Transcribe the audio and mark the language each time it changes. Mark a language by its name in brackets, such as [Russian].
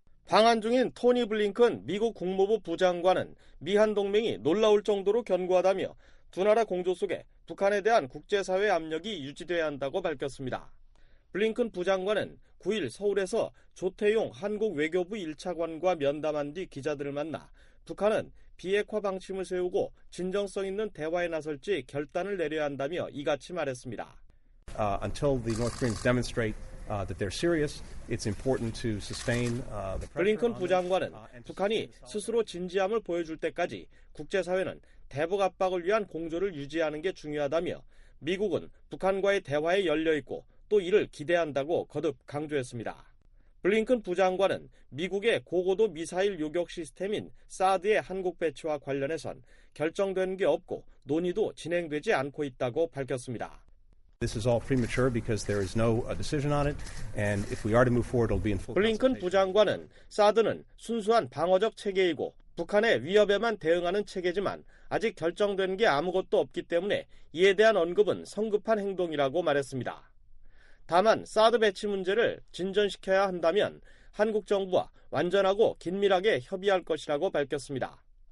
[Korean] 방한 중인 토니 블링컨 미국 국무부 부장관은 미한 동맹이 놀라울 정도로 견고하다며 두 나라 공조 속에 북한에 대한 국제사회 압력이 유지돼야 한다고 밝혔습니다. 블링컨 부장관은 9일 서울에서 조태용 한국 외교부 1차관과 면담한 뒤 기자들을 만나 북한은 비핵화 방침을 세우고 진정성 있는 대화에 나설지 결단을 내려야 한다며 이같이 말했습니다. [English] Until the North Koreans demonstrate that they're serious, it's important to sustain the pressure. [Korean] 블링컨 부장관은 북한이 스스로 진지함을 보여줄 때까지 국제사회는 대북 압박을 위한 공조를 유지하는 게 중요하다며 미국은 북한과의 대화에 열려 있고 또 이를 기대한다고 거듭 강조했습니다. 블링컨 부장관은 미국의 고고도 미사일 요격 시스템인 사드의 한국 배치와 관련해선 결정된 게 없고 논의도 진행되지 않고 있다고 밝혔습니다. [English] This is all premature because there is no decision on it and if we are to move forward it'll be in full. [Korean] 블링컨 부장관은 사드는 순수한 방어적 체계이고 북한의 위협에만 대응하는 체계지만 아직 결정된 게 아무것도 없기 때문에 이에 대한 언급은 성급한 행동이라고 말했습니다. 다만 사드 배치 문제를 진전시켜야 한다면 한국 정부와 완전하고 긴밀하게 협의할 것이라고 밝혔습니다.